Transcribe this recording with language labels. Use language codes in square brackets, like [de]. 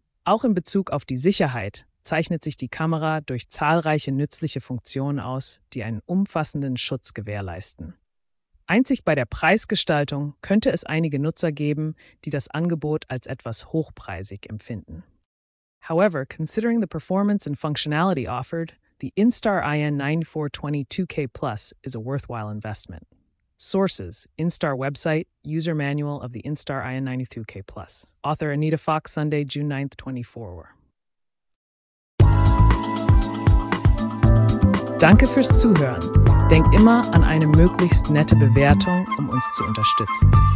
[de] Auch in Bezug auf die Sicherheit zeichnet sich die Kamera durch zahlreiche nützliche Funktionen aus, die einen umfassenden Schutz gewährleisten. Einzig bei der Preisgestaltung könnte es einige Nutzer geben, die das Angebot als etwas hochpreisig empfinden. [en] However, considering the performance and functionality offered, the Insta IN99420 2K+ is a worthwhile investment. Sources: Insta website, user manual of the Insta IN99420 2K+. Author: Anita Fox, Sunday, June 9th, 2024. [de] Danke fürs Zuhören. Denk immer an eine möglichst nette Bewertung, um uns zu unterstützen.